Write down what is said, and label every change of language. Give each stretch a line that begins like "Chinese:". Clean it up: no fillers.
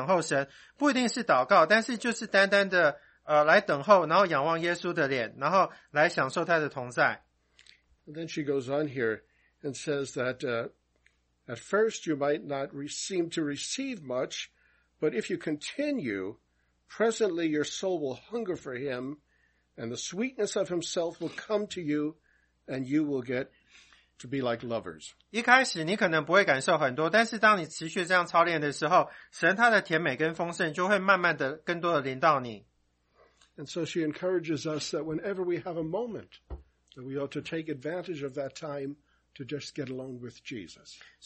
Chinese: 如果可以的话，就是花几分钟的时间来等候神，不一定是祷告，但是就是单单的。来等候，然后仰望耶稣的脸，然后来享受他的同在。
English: And then she goes on here and says that at first you might not seem to receive much, but if you continue, presently your soul will hunger for him, and the sweetness of himself will come to you, and you will get to be like lovers.
Chinese: 一开始你可能不会感受很多，但是当你持续这样操练的时候，神他的甜美跟丰盛就会慢慢的更多的临到你。
English: And so she encourages us that whenever we have a moment, that we ought to take advantage of that time to just get alone with Jesus.